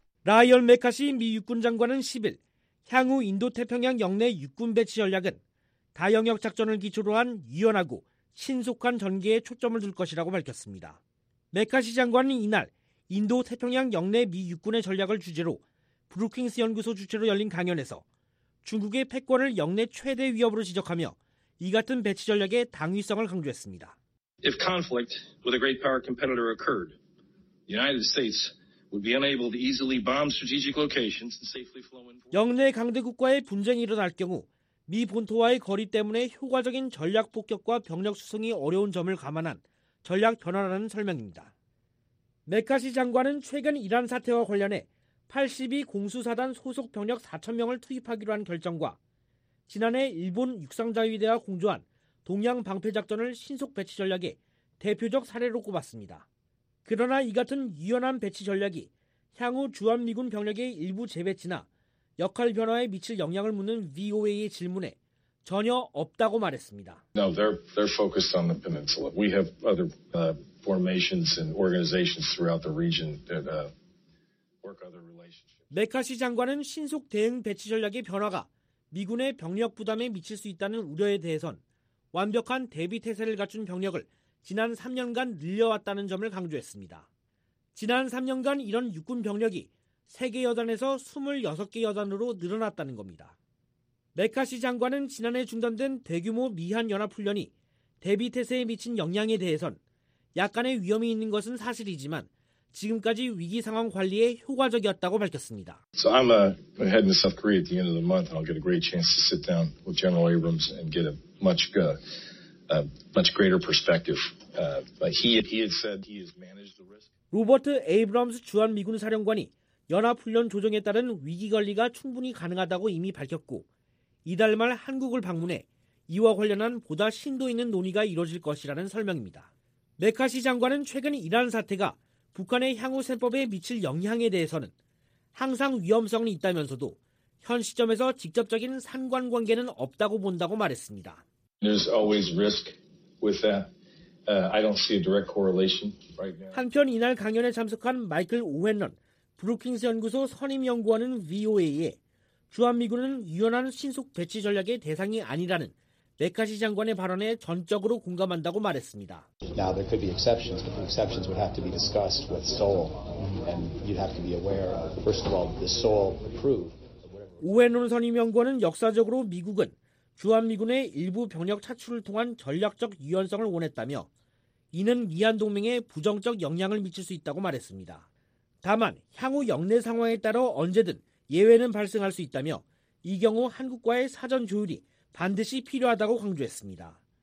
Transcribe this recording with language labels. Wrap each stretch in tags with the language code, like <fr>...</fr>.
<ko>라이언 메카시 미 육군 장관은 10일 향후 인도태평양 영내 육군 배치 전략은 다영역 작전을 기초로 한 유연하고 신속한 전개에 초점을 둘 것이라고 밝혔습니다. 메카시 장관은 이날 인도 태평양 영내 미 육군의 전략을 주제로 브루킹스 연구소 주최로 열린 강연에서 중국의 패권을 영내 최대 위협으로 지적하며 이 같은 배치 전략의 당위성을 강조했습니다.</ko> <en>If conflict with a great power competitor occurred, the United States would be unable to easily bomb strategic locations and safely flow in.</en> <ko>영내 강대국과의 분쟁이 일어날 경우 미 본토와의 거리 때문에 효과적인 전략 폭격과 병력 수송이 어려운 점을 감안한 전략 변화라는 설명입니다. 메카시 장관은 최근 이란 사태와 관련해 82 공수사단 소속 병력 4천 명을 투입하기로 한 결정과 지난해 일본 육상자위대와 공조한 동양 방패작전을 신속 배치 전략의 대표적 사례로 꼽았습니다. 그러나 이 같은 유연한 배치 전략이 향후 주한미군 병력의 일부 재배치나 역할 변화에 미칠 영향을 묻는 VOA의 질문에 전혀 없다고 말했습니다.</ko> <en>No, they're focused on the peninsula. We have other formations and organizations throughout the region that work other relationships.</en> <ko>메카시 장관은 신속 대응 배치 전략의 변화가 미군의 병력 부담에 미칠 수 있다는 우려에 대해선 완벽한 대비 태세를 갖춘 병력을 지난 3년간 늘려왔다는 점을 강조했습니다. 지난 3년간 이런 육군 병력이 3개 여단에서 26개 여단으로 늘어났다는 겁니다. 메카시 장관은 지난해 중단된 대규모 미한 연합훈련이 대비태세에 미친 영향에 대해선 약간의 위험이 있는 것은 사실이지만 지금까지 위기 상황 관리에 효과적이었다고 밝혔습니다.</ko> <en>So I'm heading to South Korea at the end of the month. I'll get a great chance to sit down with General Abrams and get a much greater perspective. But he had said he has managed the risk.</en> <ko>로버트 에이브람스 주한미군 사령관이 연합훈련 조정에 따른 위기관리가 충분히 가능하다고 이미 밝혔고 이달 말 한국을 방문해 이와 관련한 보다 심도 있는 논의가 이뤄질 것이라는 설명입니다. 메카시 장관은 최근 이란 사태가 북한의 향후 세법에 미칠 영향에 대해서는 항상 위험성은 있다면서도 현 시점에서 직접적인 상관관계는 없다고 본다고 말했습니다.</ko> <en>There's always risk with that. I don't see a direct correlation right now.</en> <ko>한편 이날 강연에 참석한 마이클 오웬런 브루킹스 연구소 선임 연구원은 VOA에 주한미군은 유연한 신속 배치 전략의 대상이 아니라는 메카시 장관의 발언에 전적으로 공감한다고 말했습니다.</ko> <en>Now there could be exceptions, but the exceptions would have to be discussed with Seoul, and you'd have to be aware of first of all the Seoul approved.</en> <ko>오웬론 선임 연구원은 역사적으로 미국은 주한미군의 일부 병력 차출을 통한 전략적 유연성을 원했다며 이는 미한 동맹에 부정적 영향을 미칠 수 있다고 말했습니다. 다만 향후 역내 상황에 따라 언제든 예외는 발생할 수 있다며 이 경우 한국과의 사전 조율이 반드시 필요하다고 강조했습니다.</ko>